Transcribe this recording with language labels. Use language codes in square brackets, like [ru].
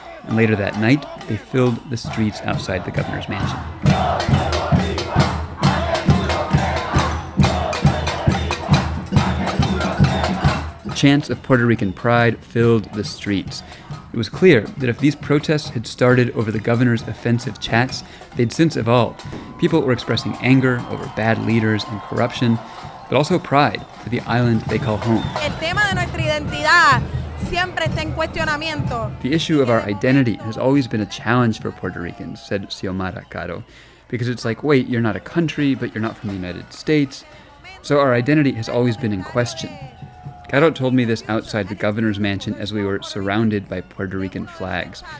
[en] And later that night, they filled the streets outside the governor's mansion. Chants of Puerto Rican pride filled the streets. It was clear that if these protests had started over the governor's offensive chats, they'd since evolved. People were expressing anger over bad leaders and corruption, but also pride for the island they call home. [es] El tema de nuestra identidad siempre está en cuestionamiento. [en] The issue of our identity has always been a challenge for Puerto Ricans, said Xiomara Caro, because it's like, wait, you're not a country, but you're not from the United States. So our identity has always been in question. Caro told me this outside the governor's mansion as we were surrounded by Puerto Rican flags.